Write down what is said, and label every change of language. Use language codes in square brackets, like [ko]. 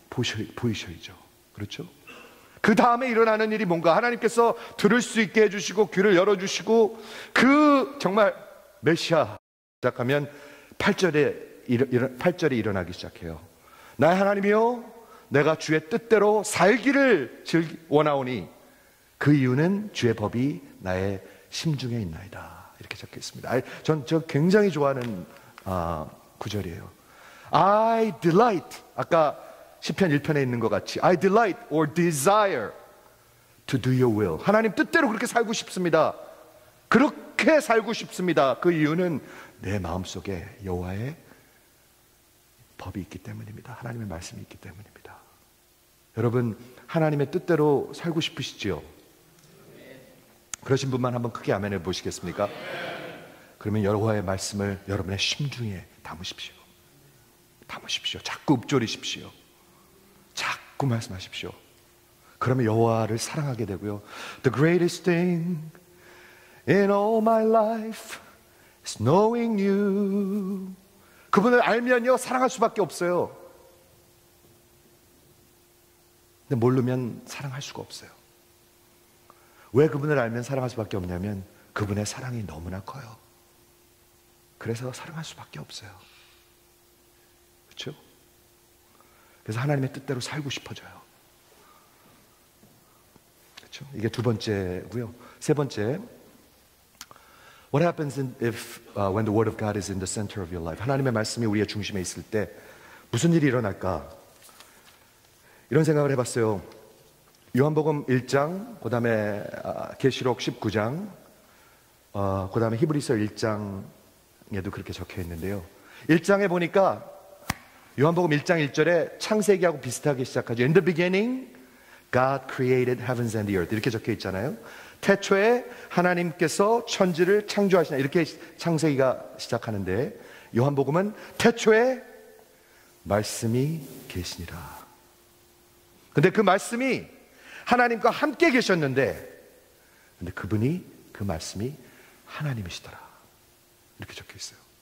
[ko] 보이셔야죠. 그렇죠? 그 다음에 일어나는 일이 뭔가, 하나님께서 들을 수 있게 해주시고 귀를 열어주시고 그 정말 메시아 시작하면 8절에 일어나기 시작해요. 나의 하나님이요, 내가 주의 뜻대로 살기를 원하오니 그 이유는 주의 법이 나의 심중에 있나이다. 이렇게 적혀 있습니다. 저 굉장히 좋아하는 구절이에요. [en] I delight, [ko] 아까 시편 1편에 있는 것 같이 [en] I delight or desire to do your will. [ko] 하나님 뜻대로 그렇게 살고 싶습니다. 그렇게 살고 싶습니다. 그 이유는 내 마음속에 여호와의 법이 있기 때문입니다. 하나님의 말씀이 있기 때문입니다. 여러분, 하나님의 뜻대로 살고 싶으시죠? 그러신 분만 한번 크게 아멘을 보시겠습니까? 그러면 여호와의 말씀을 여러분의 심중에 담으십시오. 담으십시오. 자꾸 읊조리십시오. 자꾸 말씀하십시오. 그러면 여호와를 사랑하게 되고요. [en] The greatest thing in all my life is knowing you. [ko] 그분을 알면요 사랑할 수밖에 없어요. 근데 모르면 사랑할 수가 없어요. 왜 그분을 알면 사랑할 수밖에 없냐면 그분의 사랑이 너무나 커요. 그래서 사랑할 수밖에 없어요. 그렇죠? 그래서 하나님의 뜻대로 살고 싶어져요. 그렇죠? 이게 두 번째고요. 세 번째, [en] What happens when the word of God is in the center of your life? [ko] 하나님의 말씀이 우리의 중심에 있을 때 무슨 일이 일어날까? 이런 생각을 해봤어요. 요한복음 1장, 그 다음에 계시록 19장, 그 다음에 히브리서 1장에도 그렇게 적혀 있는데요. 1장에 보니까 요한복음 1장 1절에 창세기하고 비슷하게 시작하죠. [en] In the beginning, God created heavens and the earth. [ko] 이렇게 적혀 있잖아요. 태초에 하나님께서 천지를 창조하시나, 이렇게 창세기가 시작하는데 요한복음은 태초에 말씀이 계시니라. 근데 그 말씀이 하나님과 함께 계셨는데, 근데 그분이, 그 말씀이 하나님이시더라. 이렇게 적혀 있어요.